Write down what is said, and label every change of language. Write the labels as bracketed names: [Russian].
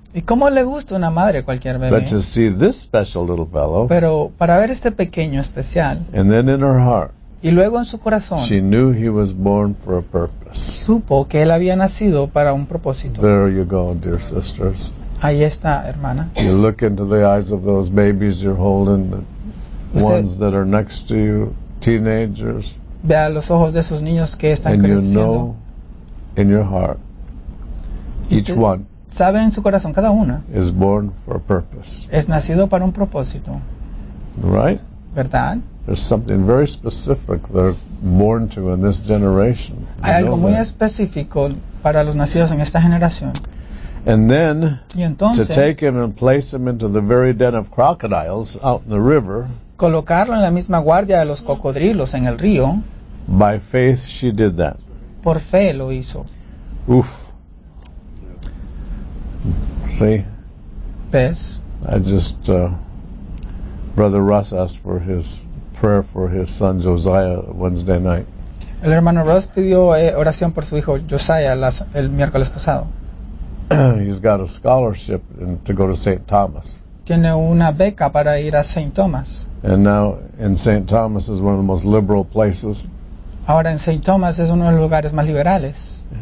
[Spanish] Y cómo le gusta una madre cualquier bebé. [English] But to see this special little fellow. [Spanish] Pero para ver este pequeño especial. [English] And then in her heart. [Spanish] Y luego en su corazón. [English] She knew he was born for a purpose. [Spanish] Supo que él había nacido para un propósito. [English] There you go, dear sisters. [Spanish] Ahí está, hermana. [English] You look into the eyes of those babies you're holding. The ones that are next to you. Teenagers. [Spanish] Vea los ojos de esos niños que están creciendo. [English] And you know in your heart, each one. [Spanish] Sabe en su corazón cada una. [English] Is born for a purpose. [Spanish] Es nacido para un propósito. [English] Right? [Spanish] ¿Verdad? [English] There's something very specific they're born to in this generation. [Spanish] Hay algo muy específico para los nacidos en esta generación. [English] And then, [Spanish] y entonces, [English] to take him and place him into the very den of crocodiles out in the river. [Spanish] Colocarlo en la misma guardia de los cocodrilos en el río. [English] By faith she did that. [Spanish] Por fe lo hizo. Uf. [English] See? [Spanish] ¿Ves? [English] I just Brother Russ asked for his prayer for his son Josiah Wednesday night. [Spanish] El hermano Russ pidió oración por su hijo Josiah el miércoles pasado. [English] He's got a scholarship to go to St. Thomas. [Spanish] Tiene una beca para ir a St. Thomas. [English] And now, in St. Thomas is one of the most liberal places. [Spanish] Ahora en St. Thomas es uno de los lugares más liberales.